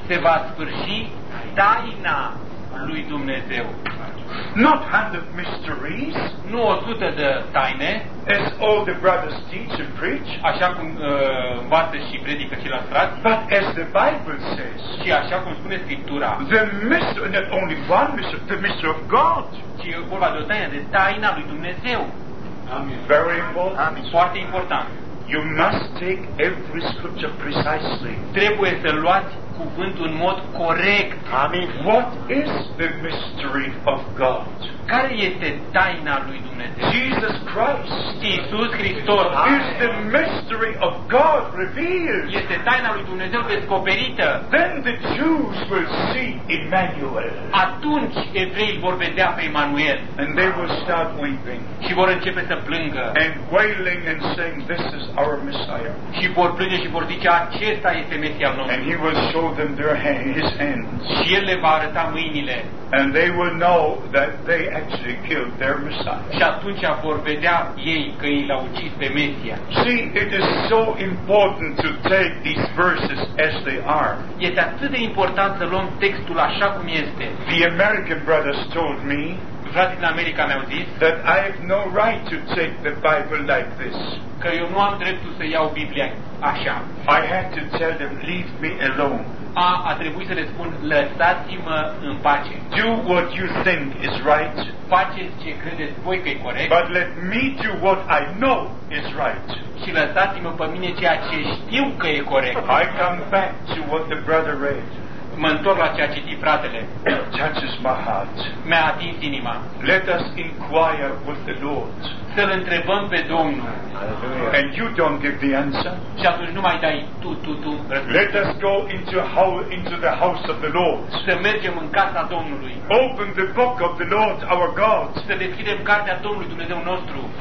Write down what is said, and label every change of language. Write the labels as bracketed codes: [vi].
[ro] Se va sfârși taina lui Dumnezeu. [en] Not 100 mysteries. [ro] Nu 100 de taine. [en] As all the brothers teach and preach. [ro] Așa cum învață și predică ceilalți frați. [en] But as the Bible says. [ro] Și așa cum spune Scriptura. [en] The mystery, not only one mystery, the mystery of God. [ro] Ci e vorba de o taină, de taina lui Dumnezeu. [en] Amen. Very important. [ro] Amen. Foarte important. [en] You must take every scripture precisely. [ro] Trebuie să luați cuvântul în mod corect. [en] Amen. What is the mystery of God? [ro] Care este taina lui Dumnezeu? [en] Jesus Christ. [ro] Iisus Hristos. [en] Is the mystery of God revealed? [ro] Este taina lui Dumnezeu descoperită. [en] Then the Jews will see Emmanuel. [ro] Atunci evreii vor vedea pe Emanuel. [en] And they will start weeping. [ro] Și vor începe să plângă. [en] And wailing and saying, this is our Messiah. [ro] Și vor plânge și vor zice, acesta este Mesia nostru. [en] And he will show them their hands, his hands. [ro] Și el le va arăta mâinile. [en] And they will know that they actually killed their Messiah. [ro] Și atunci vor vedea ei că ei l-au ucis pe Mesia. [en] See, it is so important to take these verses as they are. [ro] Este atât de important să luăm textul așa cum este. [en] The American brothers told me, [ro] frații din America mi-au zis, [en] that I have no right to take the Bible like this. [ro] Că eu nu am dreptul să iau Biblia așa. [en] I had to tell them, leave me alone. [ro] a trebuit să le spun, lăsați-mă în pace. [en] Do what you think is right. [ro] Faceți ce credeți voi că e corect. [en] But let me do what I know is right. [ro] Și lăsați-mă pe mine ceea ce știu că e corect. [en] I come back to what the brother read. [ro] Mă întorc la ceea ce zic, fratele. [en] Touches my heart. [ro] Mi-a atins inima. [en] Let us inquire with the Lord. [ro] Să-L întrebăm pe Domnul. [en] And you don't give the answer. [ro] Și atunci nu mai dai tu răspunsul. [en] Let us go into the house of the Lord. [ro] Să mergem în casa Domnului. [en] Open the book of the Lord our God. [ro] Să deschidem cartea Domnului Dumnezeu nostru.